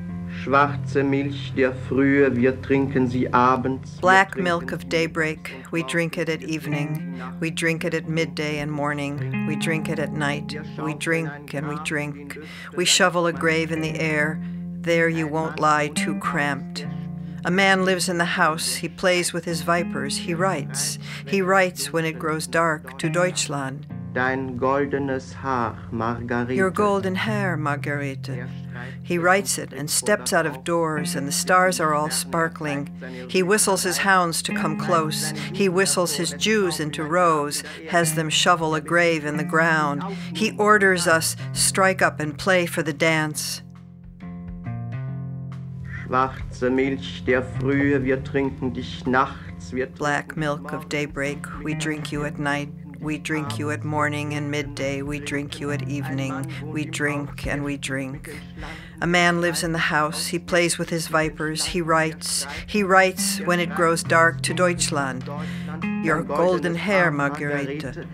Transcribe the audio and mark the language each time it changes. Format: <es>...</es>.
<de>Schwarze Milch der Frühe, wir trinken sie abends.</de> <en>Black milk of daybreak, we drink it at evening. We drink it at midday and morning. We drink it at night. We drink and we drink. We shovel a grave in the air. There you won't lie too cramped. A man lives in the house. He plays with his vipers. He writes. He writes when it grows dark to Deutschland.</en> <de>Dein goldenes Haar, Margarete.</de> <en>Your golden hair, Margarete. He writes it and steps out of doors, and the stars are all sparkling. He whistles his hounds to come close. He whistles his Jews into rows, has them shovel a grave in the ground. He orders us, strike up and play for the dance.</en> <de>Schwarze Milch der Frühe, wir trinken dich nachts.</de> <en>Black milk of daybreak, we drink you at night. We drink you at morning and midday. We drink you at evening. We drink and we drink. A man lives in the house. He plays with his vipers. He writes. He writes when it grows dark to Deutschland. Your golden hair, Marguerite.</en>